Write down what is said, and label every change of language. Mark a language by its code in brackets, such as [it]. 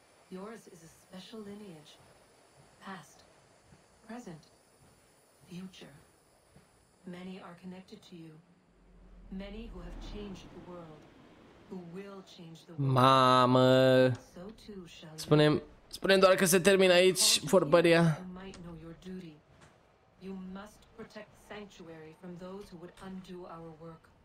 [en] Yours is a special lineage, past, present, future. Many are connected to you. Many who have changed the world, who will change the world. Mamă. So too shall you. [ro] Spunem doar că se termină aici vorbăria. [en] You might know your duty. You must protect the sanctuary from those who would undo our work.